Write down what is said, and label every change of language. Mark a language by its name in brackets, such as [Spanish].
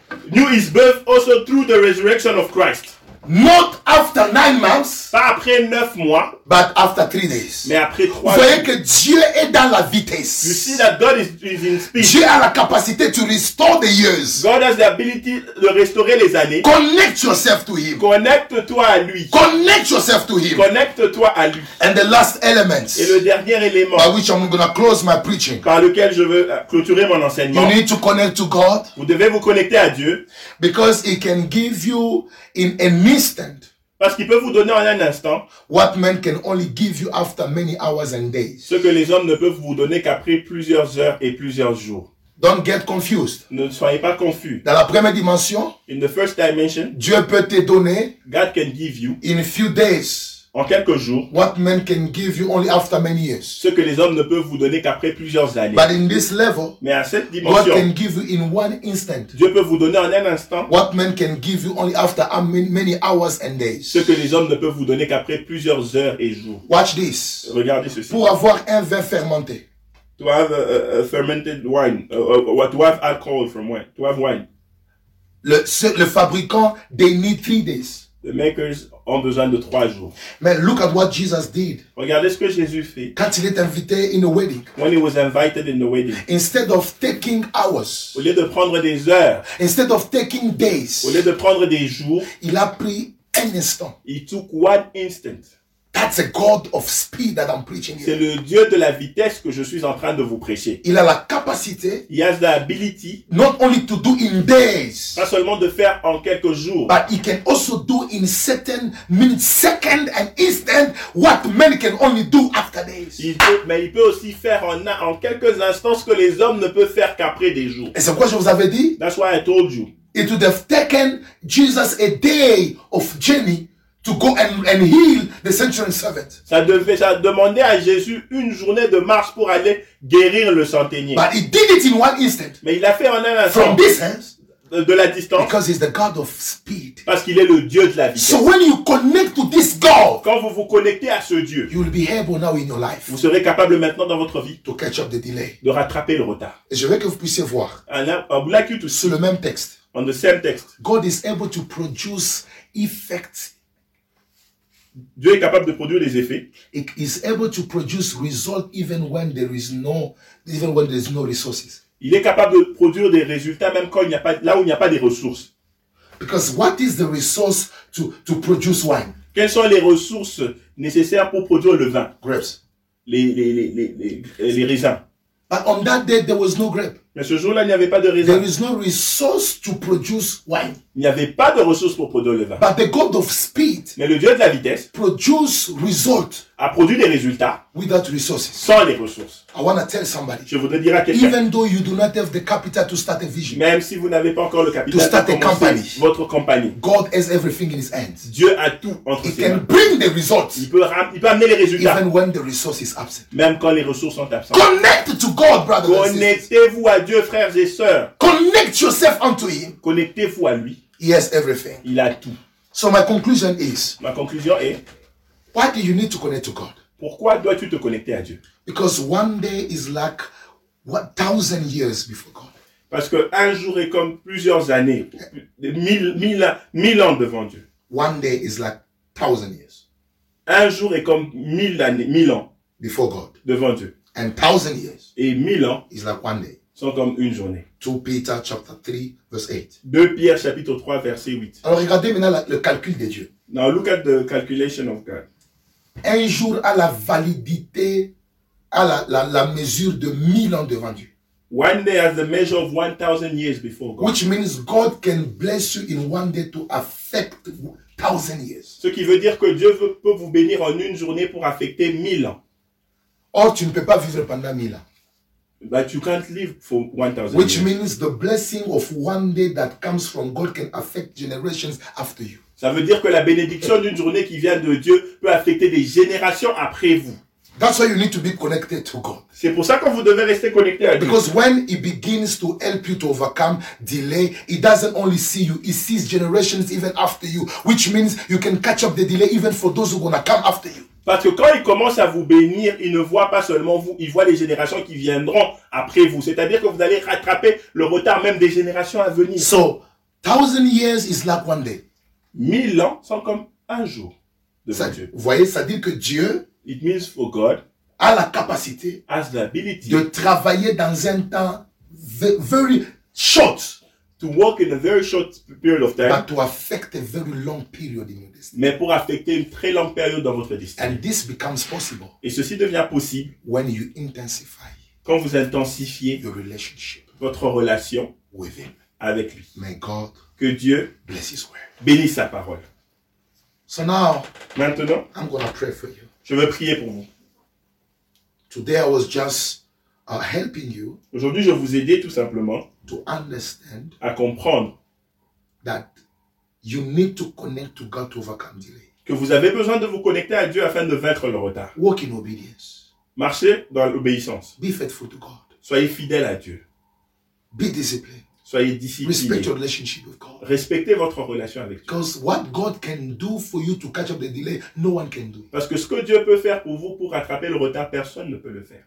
[English] New his birth also through the resurrection of Christ. Not after 9 months. [French] Pas après 9 mois. [English] But after 3 days. [French] Mais après 3 jours. Vous voyez que Dieu est dans la vitesse. [English] You see that God is in speed. [French] Dieu a la capacité [English] to restore the years. God has the ability [French] de restaurer les années. [English] Connect yourself to him. [French] Connecte-toi à lui. [English] Connect yourself to him. [French] Connecte-toi à lui. [English] And the last element. [French] Et le dernier élément. [English] By which I'm going to close my preaching. [French] Par lequel je veux clôturer mon enseignement. [English] You need to connect to God. [French] Vous devez vous connecter à Dieu. [English] Because he can give you in an instant. [French] Parce qu'il peut vous donner en un instant. [English] What man can only give you after many hours and days. [French] Ce que les hommes ne peuvent vous donner qu'après plusieurs heures et plusieurs jours. [English] Don't get confused. [French] Ne soyez pas confus. Dans la première dimension. [English] In the first dimension. [French] Dieu peut te donner. [English] God can give you. In a few days. [French] En quelques jours. [English] What man can give you only after many years. [French] Ce que les hommes ne peuvent vous donner qu'après plusieurs années. [English] But in this level. [French] Mais à cette dimension. [English] God can give you in one instant. [French] Dieu peut vous donner en un instant. [English] What man can give you only after many hours and days. [French] Ce que les hommes ne peuvent vous donner qu'après plusieurs heures et jours. [English] Watch this. [French] Regardez ceci. Pour avoir un vin fermenté. [English] To have a fermented wine. To have alcohol from wine. To have wine. [French] Le fabricant, [English] they need 3 days. The makers [French] ont besoin de 3 jours. [English] Man, look at what Jesus did. [French] Regardez ce que Jésus fait. Quand il est invité [English] in a wedding. When he was invited in the wedding. Instead of taking hours. [French] Au lieu de prendre des heures. [English] Instead of taking days. [French] Au lieu de prendre des jours. Il a pris un instant. [English] He took one instant. That's a God of speed that I'm preaching here. [French] C'est le Dieu de la vitesse que je suis en train de vous prêcher. Il a la capacité. [English] He has the ability. Not only to do in days. [French] Pas seulement de faire en quelques jours. [English] But he can also do in certain minutes, seconds, and instant what men can only do after days. [French] Il peut aussi faire en quelques instants ce que les hommes ne peuvent faire qu'après des jours. Et c'est pourquoi je vous avais dit. [English] That's why I told you. It would have taken Jesus a day of journey. To go and heal the centurion servant. [French] Ça demandait à Jésus une journée de marche pour aller guérir le centenier. [English] But he did it in one instant. [French] Mais il l'a fait en un instant. [English] From distance. [French] De la distance. [English] Because he's the God of speed. [French] Parce qu'il est le Dieu de la vitesse. [English] So when you connect to this God. [French] Quand vous vous connectez à ce Dieu. [English] You will be able now in your life. [French] Vous serez capable maintenant dans votre vie. [English] To catch up the delay. [French] De rattraper le retard. Et je veux que vous puissiez voir. [English] I'd like you to see. [French] Sur le même texte. [English] On the same text. God is able to produce effects [French] Dieu est capable de produire des effets. [English] It is able to produce results even when there is no, even when there is no resources. [French] Il est capable de produire des résultats même quand il n'y a pas, là où il n'y a pas des ressources. [English] Because what is the resource to produce wine? [French] Quelles sont les ressources nécessaires pour produire le vin? [English] Grapes. [French] Les raisins. [English] But on that day there was no grape. [French] Mais ce jour-là, il n'y avait pas de raisin. [English] There is no resource to produce wine. [French] Il n'y avait pas de ressources pour produire le vin. [English] But the God of speed. [French] Mais le Dieu de la vitesse. [English] Produce results. [French] A produit des résultats. [English] Without resources. [French] Sans les ressources. [English] I want to tell somebody. [French] Je voudrais dire à quelqu'un. [English] Even though you do not have the capital to start a vision. [French] Même si vous n'avez pas encore le capital. [English] To start a company. [French] Votre compagnie. [English] God has everything in His hands. [French] Dieu a tout entre [English] He [French] ses [English] can [French] mains. [English] Bring the results. [French] Il peut amener les résultats. [English] Even when the resource is absent. [French] Même quand les ressources sont absentes. [English] Connect to God, brothers and sisters. [French] Connectez-vous à Dieu, frères et sœurs. [English] Connect yourself unto Him. [French] Connectez-vous à lui. [English] He has everything. [French] Il a tout. [English] So my conclusion is. [French] Ma conclusion est. [English] Why do you need to connect to God? [French] Pourquoi dois-tu te connecter à Dieu? [English] Because one day is like 1,000 years before God. [French] Parce que un jour est comme plusieurs années, mille ans devant Dieu. [English] One day is like 1,000 years. [French] Un jour est comme mille années, mille ans [English] before God. [French] Devant Dieu. [English] And 1,000 years. [French] Et mille ans [English] is like one day. [French] Sont comme une journée. [English] 2 Peter chapter 3 verse 8. [French] 2 Pierre chapitre 3 verset 8. Alors regardez maintenant le calcul de Dieu. [English] Now look at the calculation of God. [French] Un jour a la validité, a la mesure de 1,000 ans devant Dieu. [English] One day has the measure of 1,000 years before God. Which means God can bless you in one day to affect 1,000 years. [French] Ce qui veut dire que Dieu peut vous bénir en une journée pour affecter 1,000 ans. Or tu ne peux pas vivre pendant 1,000 ans. [English] But you can't live for 1,000 years. Which means the blessing of one day that comes from God can affect generations after you. [French] Ça veut dire que la bénédiction d'une journée qui vient de Dieu peut affecter des générations après vous. [English] That's why you need to be connected to God. [French] C'est pour ça que vous devez rester connecté à Dieu. [English] Because when He begins to help you to overcome delay, He doesn't only see you; He sees generations even after you, which means you can catch up the delay even for those who are gonna come after you. [French] Parce que quand il commence à vous bénir, il ne voit pas seulement vous, il voit les générations qui viendront après vous. C'est-à-dire que vous allez rattraper le retard même des générations à venir. [English] So, 1,000 years is like one day. [French] 1,000 ans sont comme un jour devant Dieu. Vous voyez, ça dit que Dieu, [English] it means for God, [French] a la capacité, [English] has the ability, [French] de travailler dans un temps [English] very short. To work in a very short period of time. But to affect a very long period in your destiny. [French] Mais pour affecter une très longue période dans votre destinée. [English] And this becomes possible. [French] Et ceci devient possible. [English] When you intensify. [French] Quand vous intensifiez. [English] Your relationship. [French] Votre relation. [English] With Him. [French] Avec lui. [English] May God. [French] Que Dieu. [English] Bless His word. [French] Bénisse sa parole. [English] So now. [French] Maintenant. [English] I'm gonna pray for you. [French] Je veux prier pour vous. [English] Today I was just helping you. [French] Aujourd'hui je vous aidais tout simplement. [English] To understand, [French] à comprendre [English] that you need to connect to God to overcome delay. [French] Que vous avez besoin de vous connecter à Dieu afin de vaincre le retard. [English] Walk in obedience. [French] Marchez dans l'obéissance. [English] Be faithful to God. [French] Soyez fidèle à Dieu. [English] Be disciplined. [French] Soyez discipliné. [English] Respect your relationship with God. [French] Respectez votre relation avec Dieu. [English] Because what God can do for you to catch up the delay, no one can do. [French] Parce que ce que Dieu peut faire pour vous pour rattraper le retard, personne ne peut le faire.